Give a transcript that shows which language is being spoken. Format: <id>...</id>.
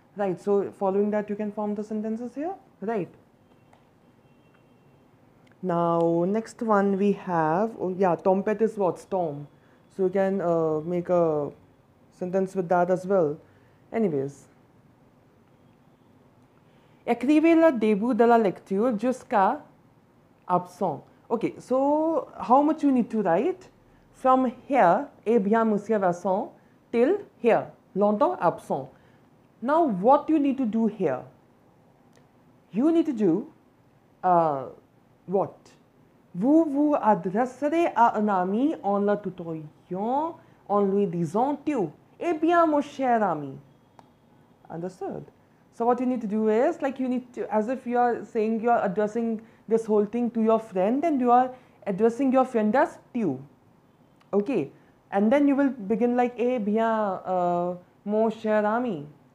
<en>Right, so following that, you can form the sentences here. Right. Now, next one we have, oh yeah, tompet is what? Storm. So you can make a sentence with that as well. Anyways.</en> <fr>Écrivez le début de la lecture jusqu'à absent.</fr> <en>Okay, so how much you need to write? From here,</en> <fr>eh bien, Monsieur Vincent,</fr> <en>till here,</en> <fr>longtemps absent.</fr> <en>Now, what you need to do here? You need to do... What?</en> <fr>Vous vous adresserez à un ami en le tutoyant, en lui disant tu. Eh bien, mon cher ami.</fr> <en>Understood. So what you need to do is, like you need to, as if you are saying you are addressing this whole thing to your friend, and you are addressing your friend as tu. Okay. And then you will begin like,</en> <fr>eh bien, mon cher ami.</fr>